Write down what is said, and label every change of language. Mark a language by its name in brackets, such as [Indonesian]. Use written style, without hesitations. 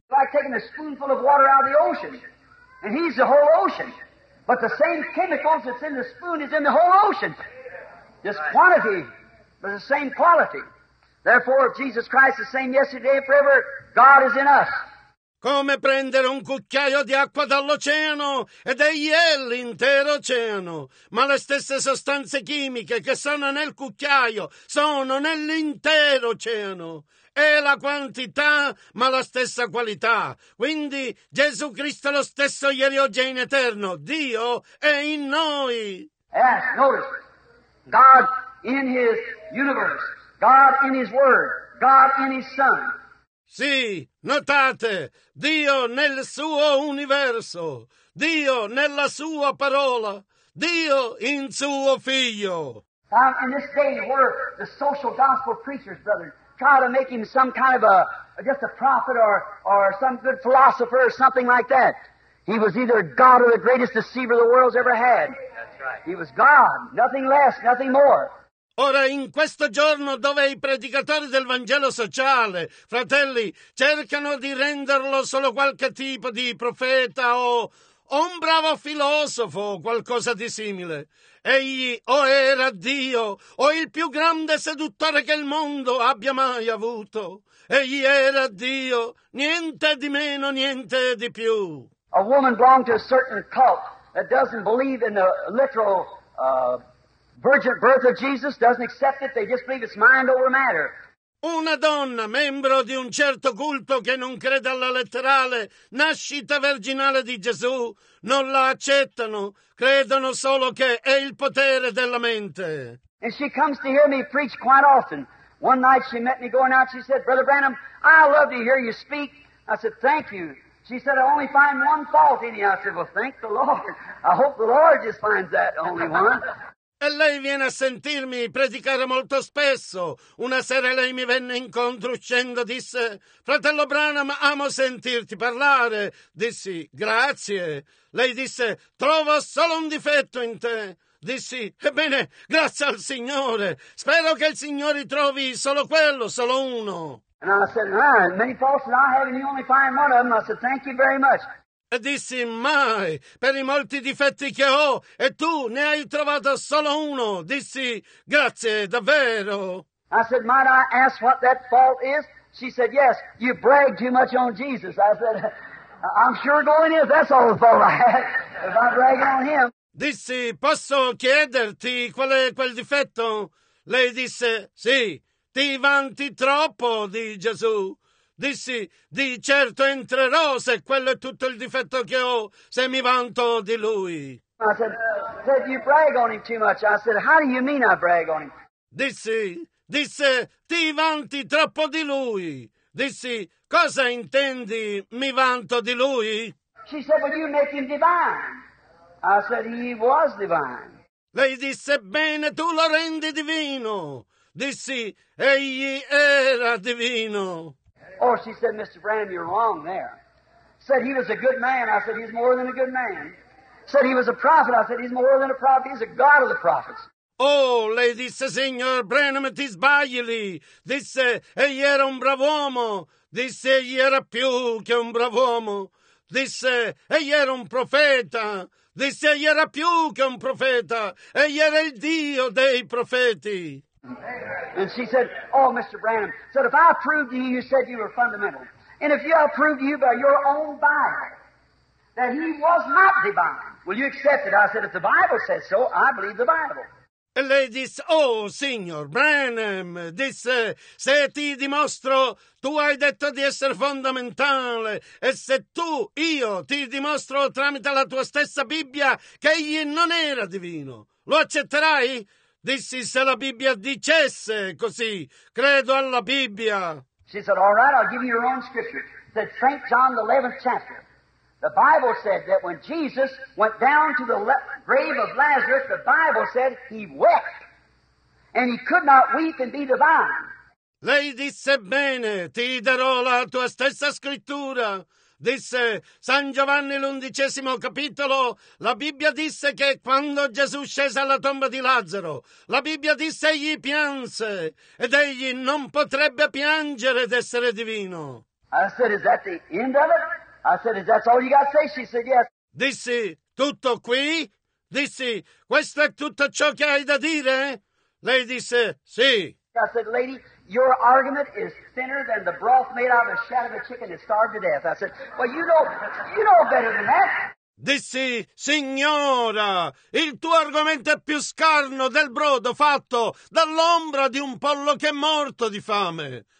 [English] Like taking a spoonful of water out of the ocean. And he's the whole ocean. But the same chemicals that's in the spoon is in the whole ocean. Just quantity, but the same quality. Therefore, if Jesus Christ is the same yesterday and forever, God is in us. [Italian] Come prendere un cucchiaio di acqua dall'oceano ed egli è l'intero oceano. Ma le stesse sostanze chimiche che sono nel cucchiaio sono nell'intero oceano. È la quantità, ma la stessa qualità. Quindi Gesù Cristo è lo stesso ieri, oggi e in eterno. Dio è in noi. [English] Yes, notice. God in his universe. God in his word. God in his son. [Italian] Sì, notate. Dio nel suo universo. Dio nella sua parola. Dio in suo figlio. [English] In this day we're the social gospel preachers, brothers. Try to make him some kind of just a prophet or some good philosopher or something like that. He was either God or the greatest deceiver the world's ever had. That's right. He was God, nothing less, nothing more. [Italian] Ora, in questo giorno dove i predicatori del Vangelo sociale, fratelli, cercano di renderlo solo qualche tipo di profeta o un bravo filosofo o qualcosa di simile. Egli o era Dio, o il più grande seduttore che il mondo abbia mai avuto. Egli era Dio, niente di meno, niente di più. [English] A woman belonged to a certain cult that doesn't believe in the literal virgin birth of Jesus, doesn't accept it, they just believe it's mind over matter. [Italian] Una donna, membro di un certo culto che non crede alla letterale nascita virginale di Gesù, non la accettano, credono solo che è il potere della mente. [English] And she comes to hear me preach quite often. One night she met me going out, she said, Brother Branham, I love to hear you speak. I said, thank you. She said, I only find one fault in you. I said, well, thank the Lord. I hope the Lord just finds that only one. [Italian] E lei viene a sentirmi predicare molto spesso. Una sera lei mi venne incontro uscendo, disse, fratello Branham, amo sentirti parlare. Dissi, grazie. Lei disse, trovo solo un difetto in te. Dissi, ebbene, grazie al Signore. Spero che il Signore trovi solo quello, solo uno. [English] And I said, many faults that I have and you only find one of them. I said, thank you very much. [Italian] E dissi, mai, per i molti difetti che ho, e tu ne hai trovato solo uno. Dissi, grazie, davvero. [English] I said, might I ask what that fault is? She said, yes, you brag too much on Jesus. I said, I'm sure going in. That's all the fault I had, if I'm bragging on him. [Italian] Dissi, posso chiederti qual è quel difetto? Lei disse, sì, ti vanti troppo di Gesù. Dissi, di certo entrerò se quello è tutto il difetto che ho, se mi vanto di lui. [English] I said, you brag on him too much. I said, how do you mean I brag on him? [Italian] Disse, ti vanti troppo di lui. Dissi, cosa intendi, mi vanto di lui? [English] She said, well, you make him divine. I said, he was divine. [Italian] Lei disse, bene, tu lo rendi divino. Dissi, egli era divino. [English] Oh, she said, Mr. Branham, you're wrong there. Said he was a good man. I said, he's more than a good man. Said he was a prophet. I said, he's more than a prophet. He's a god of the prophets. [Italian] Oh, lei disse, signor Branham, ti sbagli lì. Disse, egli era un brav'uomo. Disse, egli era più che un brav'uomo. Disse, egli era un profeta. Disse, egli era più che un profeta. Egli era il Dio dei profeti. [English] And she said, oh, Mr. Branham, said, if I proved to you, you said you were fundamental. And if I proved to you by your own Bible that he was not divine, will you accept it? I said, if the Bible says so, I believe the Bible. [Italian] E lei disse, oh, signor Branham, disse, se ti dimostro, tu hai detto di essere fondamentale, e se tu, io, ti dimostro tramite la tua stessa Bibbia che egli non era divino, lo accetterai? Dissi, se la Bibbia dicesse così, credo alla Bibbia. [English] She said, all right, I'll give you your own scripture. The St. John, the 11th chapter. The Bible said that when Jesus went down to the grave of Lazarus, the Bible said he wept, and he could not weep and be divine. [Italian] Lei disse, bene, ti darò la tua stessa scrittura. Disse, San Giovanni, l'undicesimo capitolo, la Bibbia disse che quando Gesù scese alla tomba di Lazzaro, la Bibbia disse egli pianse, ed egli non potrebbe piangere ed essere divino. [English] I said, is that the end of it? I said, is that all you got to say? She said, yes. [Italian] Dissi, tutto qui? Dissi, questo è tutto ciò che hai da dire? Lei disse, sì. [English] I said, lady, your argument is thinner than the broth made out of the shell of a chicken that starved to death. I said, well, you know better than that. [Italian] Dissi, signora, il tuo argomento è più scarno del brodo fatto dall'ombra di un pollo che è morto di fame.